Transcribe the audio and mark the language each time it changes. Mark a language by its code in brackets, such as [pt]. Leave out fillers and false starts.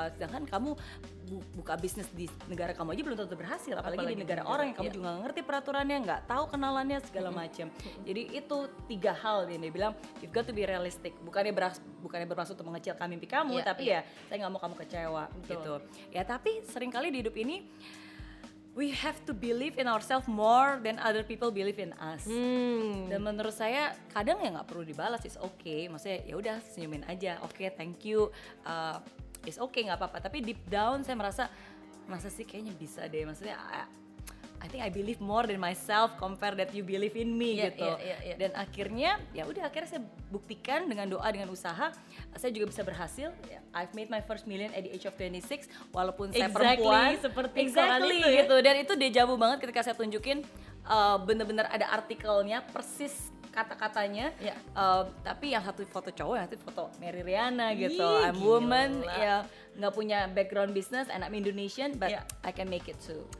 [id] Sedangkan kamu buka bisnis di negara kamu aja belum tentu berhasil, apalagi di negara orang yang kamu juga gak ngerti peraturannya, gak tahu kenalannya, segala macam. Jadi itu 3 hal yang dia bilang, [en] you've got to be realistic. [id] Bukannya bermaksud untuk mengecilkan mimpi kamu, tapi ya saya gak mau kamu kecewa. Gitu. Ya tapi seringkali di hidup ini, [en] we have to believe in ourselves more than other people believe in us. [id] Dan menurut saya kadang ya nggak perlu dibalas, [en] it's okay. [id] Maksudnya ya udah senyumin aja, [en] thank you, it's okay, [id] nggak apa-apa. Tapi [en] deep down [id] saya merasa, masa sih kayaknya bisa deh. Maksudnya [en] I think I believe more than myself compared that you believe in me [id] gitu. Dan akhirnya ya udah, akhirnya saya buktikan dengan doa, dengan usaha, saya juga bisa berhasil. [en] I've made my first million at the age of 26, [id] walaupun saya perempuan. Seperti itu, gitu. Dan itu deja vu banget ketika saya tunjukin, benar-benar ada artikelnya, persis kata-katanya. Tapi yang satu foto cowok, yang satu foto Mary Riana gitu. [en] I'm [id] gila. [en] Woman [id] ya, nggak punya [en] background business, and I'm Indonesian, but I can make it too.